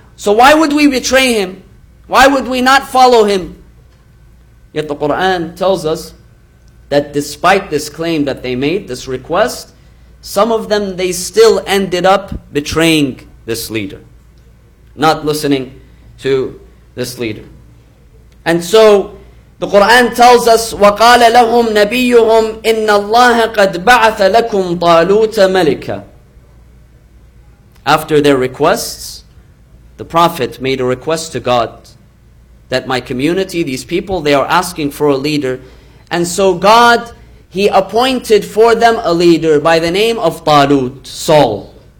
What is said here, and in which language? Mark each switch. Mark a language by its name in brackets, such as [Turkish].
[English] So why would we betray him? Why would we not follow him? Yet the Quran tells us that despite this claim that they made, this request, some of them, they still ended up betraying this leader, not listening to this leader. And so the Quran tells us, [Arabic] وَقَالَ لَهُمْ نَبِيُّهُمْ إِنَّ اللَّهَ قَدْ بَعَثَ لَكُمْ طَالُوتَ مَلِكًا. [English] After their requests, the Prophet made a request to God that my community, these people, they are asking for a leader. And so God, he appointed for them a leader by the name of Talut, Saul.